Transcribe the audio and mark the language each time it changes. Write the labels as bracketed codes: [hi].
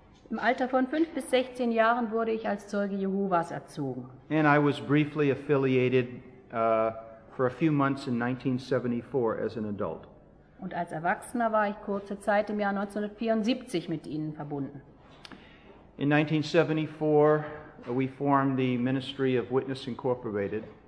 [de] Im Alter von 5 bis 16 Jahren wurde ich als Zeuge Jehovas erzogen. [en] And I was briefly affiliated for a few months in 1974 as an adult. [de] Und als Erwachsener war ich kurze Zeit im Jahr 1974 mit ihnen verbunden. [en] In 1974 we formed the Ministry of Witness Incorporated.